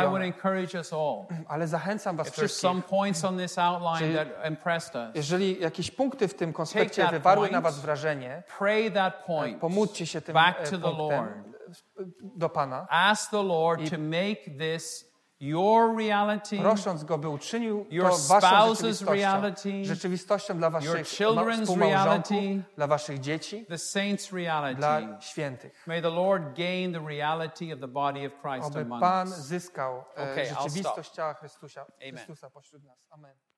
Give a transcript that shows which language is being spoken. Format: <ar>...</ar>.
<en>But I would encourage us all.</en> <pl>Ale zachęcam was</pl> <en>if</en> <pl>wszystkich.</pl> <en>There's some points on this outline that impressed us.</en> <pl>Jeżeli jakieś punkty w tym konspekcie wywarły na was wrażenie,</pl> <en>pray that point.</en> <pl>Pomódlcie się tym</pl> <en>back to</en> <pl>punktem.</pl> <en>The Lord.</en> <pl>Do Pana.</pl> <en>Ask the Lord to make this your reality,</en> <pl>prosząc Go, by uczynił</pl> <en>your</en> <pl>to waszą</pl> <en>spouse's reality,</en> <pl>rzeczywistością dla waszych</pl> <en>your children's reality,</en> <pl>dla waszych dzieci,</pl> <en>the saints' reality,</en> <pl>dla świętych.</pl> <en>May the Lord gain the reality of the body of Christ among us.</en> <pl>Oby Pan zyskał rzeczywistość ciała Chrystusa pośród nas. Amen.</pl>